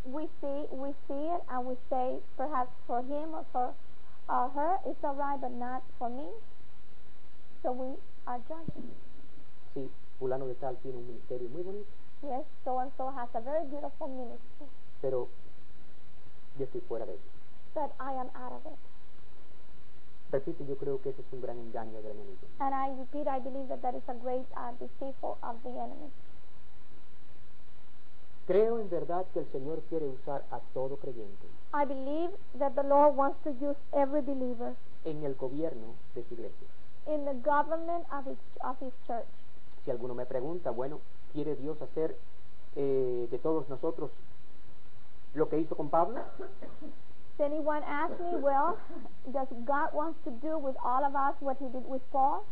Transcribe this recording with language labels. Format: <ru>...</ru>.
<en>We see it and we say perhaps for him or for her it's alright, but not for me. So we are judging.</en> <es>Sí, fulano de tal tiene un ministerio muy bonito.</es> <en>Yes, so and so has a very beautiful ministry.</en> <es>Pero yo estoy fuera de eso.</es> <en>But I am out of it.</en> <es>Repito, yo creo que ese es un gran engaño del enemigo.</es> <en>And I repeat, I believe that is a great deceitful of the enemy.</en> <es>Creo en verdad que el Señor quiere usar a todo creyente.</es> <en>I believe that the Lord wants to use every believer.</en> <es>En el gobierno de su iglesia.</es> <en>In the government of his church.</en> <es>Si alguno me pregunta, bueno, ¿quiere Dios hacer de todos nosotros lo que hizo con Pablo?</es> <en>Does anyone ask me, well, does God want to do with all of us what he did with Paul?</en>